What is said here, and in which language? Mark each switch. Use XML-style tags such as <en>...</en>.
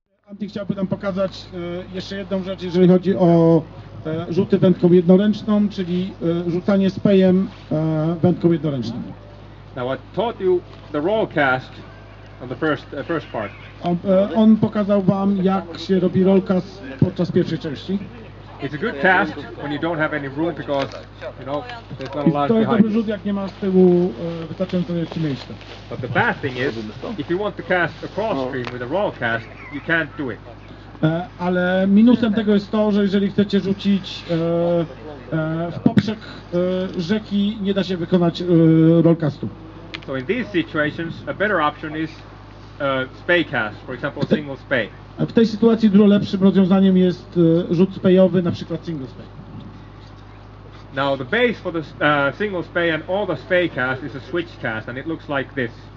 <pl>Anty, chciałby nam pokazać jeszcze jedną rzecz, jeżeli chodzi o rzuty wędką jednoręczną, czyli rzucanie z pejem wędką jednoręczną.</pl> <en>Now I taught you the raw cast of the first part.</en> <pl>On pokazał wam, jak się robi roll cast podczas pierwszej części.</pl> <en>It's a good cast when you don't have any room because, you know, there's not a lot</en> <pl>To jest dobry rzut, jak nie ma z tyłu wystarczająco miejsca.</pl> <en>But the bad thing is, if you want to cast a cross stream with a raw cast, you can't do it.</en> <pl>Ale minusem tego jest to, że jeżeli chcecie rzucić w poprzek rzeki, nie da się wykonać rollcastu.</pl> <en>So in these situations, a better option is spay cast, for example, single spay.</en> <pl>W tej sytuacji dużo lepszym rozwiązaniem jest rzut spejowy, na przykład single spay.</pl> <en>Now the base for the single spay and all the spay cast is a switch cast, and it looks like this.</en>